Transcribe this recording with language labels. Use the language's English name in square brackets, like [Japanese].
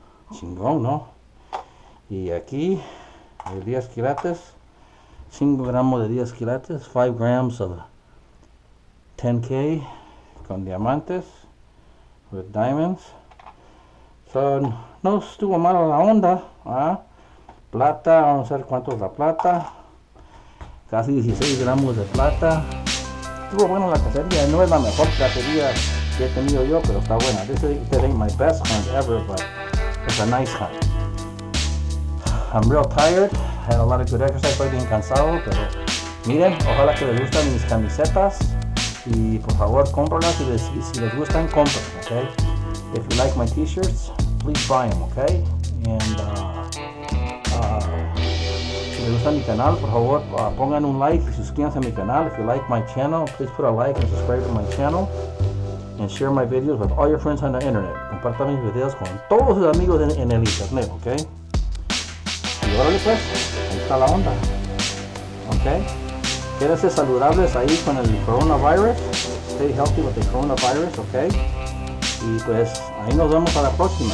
[Spanish] Chingón, ¿no? Y aquí, de 10 quilates, 5 gramos de 10 quilates, [English] 5 grams of 10K [Spanish] con diamantes, [English] with diamonds. [Spanish] So, no estuvo mala la onda, ¿ah? Plata, vamos a ver cuánto es la plata. Casi 16 gramos de plata. Estuvo buena la cacería, no es la mejor cacería que he tenido yo, pero está buena. [English] This ain't my best hunt ever, but it's a nice hunt. I'm real tired, had a lot of good exercise, [Spanish] estoy bien cansado, pero miren, ojalá que les gusten mis camisetas. Y por favor, cómpralas y si les gustan, cómpralas, ok? [English] If you like my t-shirts, please buy them, ok? [Spanish] And, si les gusta mi canal, por favor, pongan un like y suscríbanse a mi canal. [English] If you like my channel, please put a like and subscribe to my channel. And share my videos with all your friends on the internet. [Spanish] Compartan mis videos con todos sus amigos en el internet, ok? Y ahora después, ahí está la onda, ok? Quédense saludables ahí con el coronavirus. [English] Stay healthy with the coronavirus, ok? [Spanish] Y pues, ahí nos vemos a la próxima.